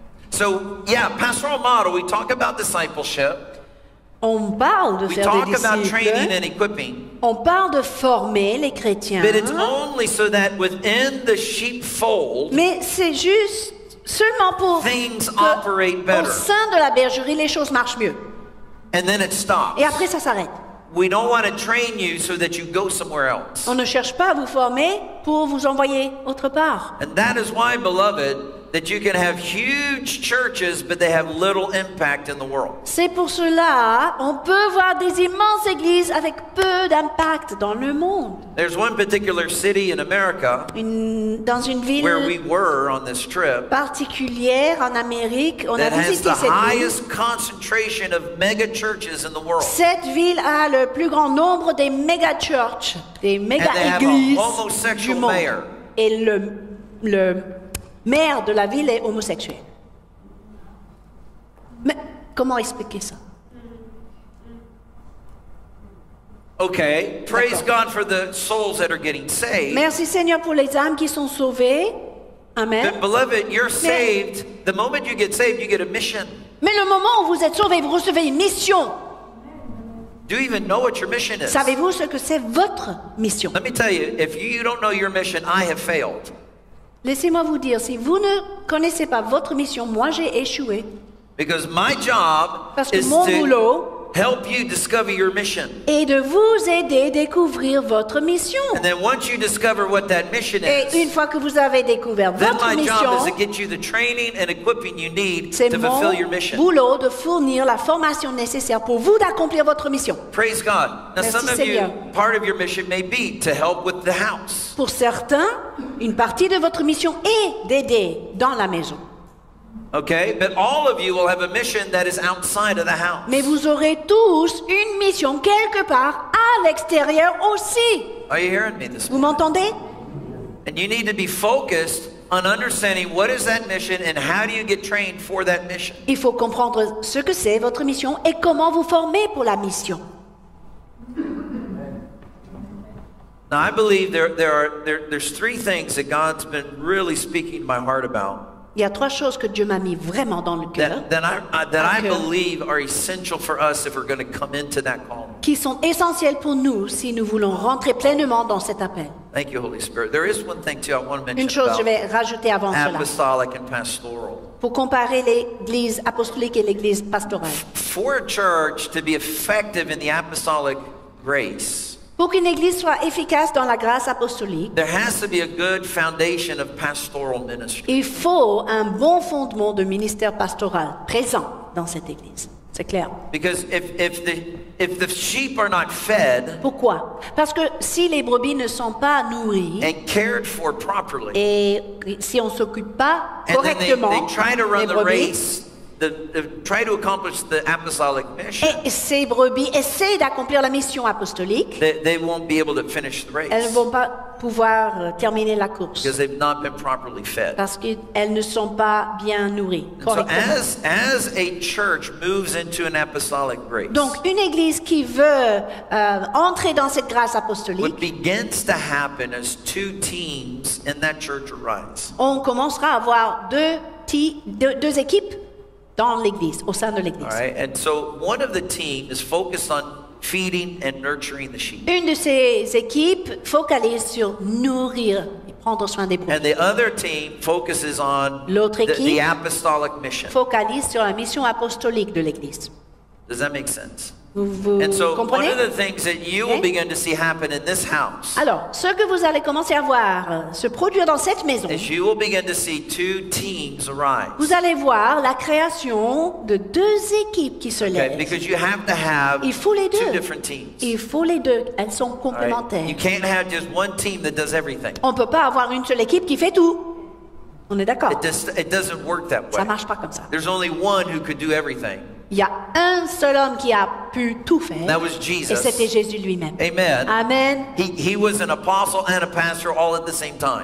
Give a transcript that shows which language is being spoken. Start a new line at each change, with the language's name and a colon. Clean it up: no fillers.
English: So, yeah, pastoral model, we talk about discipleship.
French: On parle de
English: we
French: faire
English: talk
French: des disciples.
English: About training and equipping.
French: On parle de former les chrétiens.
English: But it's only so that within the sheepfold,
French: mais c'est juste seulement pour
English: things operate better.
French: Au sein de la bergerie, les choses marchent mieux.
English: And then it stops.
French: Et après, ça s'arrête.
English: We don't want to train you so that you go somewhere else.
French: On ne cherche pas à vous former pour vous envoyer autre part.
English: And that is why, beloved, that you can have huge churches but they have little impact in the world.
French: C'est pour cela on peut voir des immenses églises avec peu d'impact dans le monde.
English: There's one particular city in America
French: dans une ville
English: where we were on this trip
French: particulière en Amérique, on a visité cette ville.
English: That has the highest concentration of mega churches in the world.
French: Cette ville a le plus grand nombre des
English: mega churches,
French: des méga églises.
English: And they have a homosexual mayor.
French: Et le maire de la ville est homosexuel. Mais comment expliquer ça?
English: Okay, praise God for the souls that are getting saved.
French: Merci Seigneur pour les âmes qui sont sauvées.
English: Amen. But beloved, you're saved. The moment you get saved, you get a mission.
French: Mais le moment où vous êtes sauvés, vous recevez une mission.
English: Do you even know what your mission is?
French: Savez-vous ce que c'est votre mission?
English: Let me tell you, if you don't know your mission, I have failed.
French: Laissez-moi vous dire, si vous ne connaissez pas votre mission, moi j'ai échoué.
English: Because my job
French: parce que mon boulot
English: help you discover your mission
French: est de vous aider à découvrir votre mission.
English: And then once you discover what that mission is,
French: et une fois que vous avez découvert votre mission,
English: is to get you the training and equipping you need
French: c'est
English: to fulfill your mission.
French: Boulot de fournir la formation nécessaire pour vous d'accomplir votre mission.
English: Praise God. Now
French: merci
English: some of
French: Seigneur.
English: You, part of your mission may be to help with the house.
French: Pour certains, une partie de votre mission est d'aider dans la maison.
English: Okay, but all of you will have a mission that is outside of the house.
French: Mais vous aurez tous une mission quelque part à l'extérieur aussi.
English: Are you hearing me this morning?
French: Vous m'entendez?
English: And you need to be focused on understanding what is that mission and how do you get trained for that mission.
French: Il faut comprendre ce que c'est votre mission et comment vous former pour la mission.
English: Now I believe there's three things that God's been really speaking to my heart about.
French: Il y a trois choses que Dieu m'a mis vraiment dans le cœur.
English: That I believe are essential for us if we're going to come into that call.
French: Qui sont essentielles pour nous si nous voulons rentrer pleinement dans cet appel.
English: Thank you, Holy Spirit. There is one thing too I want to mention.
French: Une chose
English: about
French: je vais rajouter avant
English: apostolic
French: cela.
English: Apostolic and pastoral.
French: Pour comparer l'église apostolique et l'église pastorale.
English: For a church to be effective in the apostolic grace.
French: Pour qu'une église soit efficace dans la grâce apostolique,
English: there has to be a good foundation of pastoral ministry.
French: Il faut un bon fondement de ministère pastoral présent dans cette église. C'est clair.
English: Because if the sheep are not fed,
French: pourquoi? Parce que si les brebis ne sont pas nourries
English: and cared for properly,
French: et si on s'occupe pas correctement,
English: they try to run the race, try to accomplish the apostolic mission,
French: et ces brebis essaient d'accomplir la mission apostolique,
English: they won't be able to finish the race.
French: Elles vont pas pouvoir terminer la course.
English: Because they've not been properly fed.
French: Parce qu'elles ne sont pas bien nourries correctement.
English: So as a church moves into an apostolic grace,
French: donc une église qui veut entrer dans cette grâce apostolique,
English: what begins to happen is two teams in that church arise.
French: On commencera à avoir deux équipes dans l'église, au sein de l'église.
English: All right. And so one of the team is focused on feeding and nurturing the sheep.
French: Une de ces équipes focalise sur nourrir et prendre soin des brebis.
English: And the other team focuses on the apostolic mission.
French: Focalise sur la mission apostolique de l'église.
English: Does that make sense?
French: Vous
English: and so
French: comprenez?
English: One of the things that you will begin to see happen in this house.
French: Alors, ce que vous allez commencer à voir se produire dans cette maison.
English: Is you will begin to see two teams arise.
French: Vous allez voir la création de deux équipes qui se lèvent.
English: Okay, because you have to have two different teams.
French: Il faut les deux. Elles sont complémentaires.
English: Right. You can't have just one team that does everything.
French: On peut pas avoir une seule équipe qui fait tout. On est d'accord.
English: It doesn't work that way.
French: Ça marche pas comme ça.
English: There's only one who could do everything.
French: Il y a un seul homme qui a pu tout faire.
English: That was Jesus.
French: Et c'était Jésus lui-même.
English: Amen. Amen. He was an apostle and a pastor all at the same time.